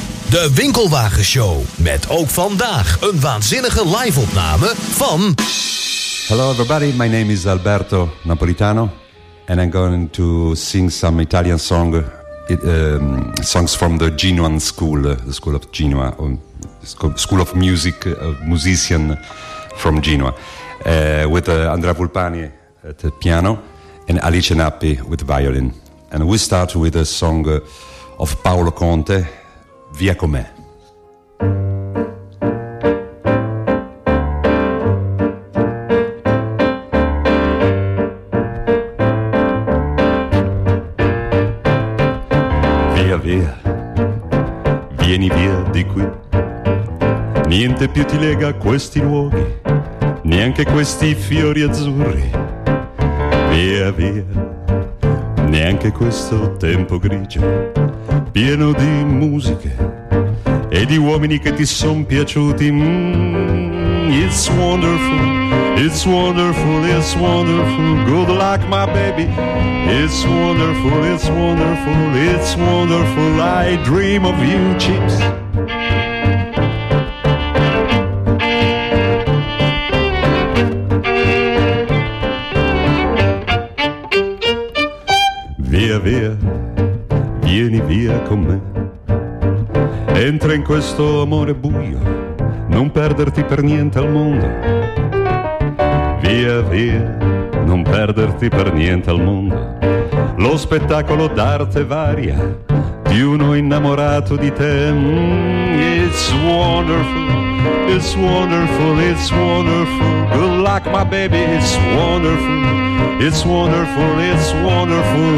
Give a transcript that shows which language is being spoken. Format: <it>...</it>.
<nl>De Winkelwagenshow, met ook vandaag een waanzinnige live-opname van...</nl> <en>Hello everybody, my name is Alberto Napolitano, and I'm going to sing some Italian song, songs from the Genoan school, the school of Genoa, school of music, musician from Genoa, with Andrea Vulpani at the piano and Alice Nappi with violin. And we start with a song of Paolo Conte, Via com'è.</en> <it>Via, via, vieni via di qui. Niente più ti lega a questi luoghi, neanche questi fiori azzurri. Via, via, neanche questo tempo grigio, pieno di musiche e di uomini che ti son piaciuti.</it> <en>It's wonderful, it's wonderful, it's wonderful. Good luck, my baby. It's wonderful, it's wonderful, it's wonderful. I dream of you, chips.</en> <it>Via, via, vieni via con me. Entra in questo amore buio, non perderti per niente al mondo. Via, via, non perderti per niente al mondo. Lo spettacolo d'arte varia di uno innamorato di te.</it> <en>It's wonderful, it's wonderful, it's wonderful. Good luck, my baby, it's wonderful. It's wonderful, it's wonderful.</en>